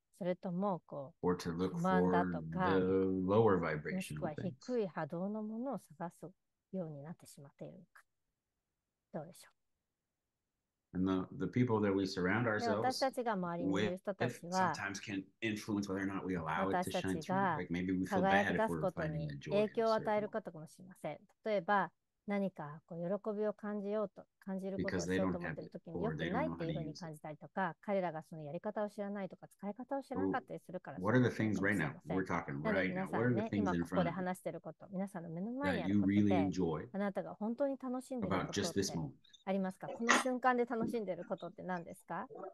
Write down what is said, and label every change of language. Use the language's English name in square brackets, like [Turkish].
[Japanese] それともこう [English] or to look for [Japanese] 不満だとか、 [English] the lower vibration [Japanese] もしくは低い波動のものを探すようになってしまっているのか。どうでしょう。 [English] And the people that we surround ourselves [Japanese] 私たちが周りにいる人たちは、 [English] sometimes can influence whether or not we allow it to shine through. Like maybe we feel bad if we're finding the joy. [Japanese] 影響を与えることかもしれません。例えば、何かこう喜びを感じようと感じることをしようと思っているときによくないというふうに感じたりとか、彼らがそのやり方を知らないとか使い方を知らなかったりするから、 [English] what are the things right now we're talking right now? [Japanese] 皆さんね、今ここで話していること、皆さんの目の前にあることって、あなたが本当に楽しんでいることってありますか？この瞬間で楽しんでいることって何ですか？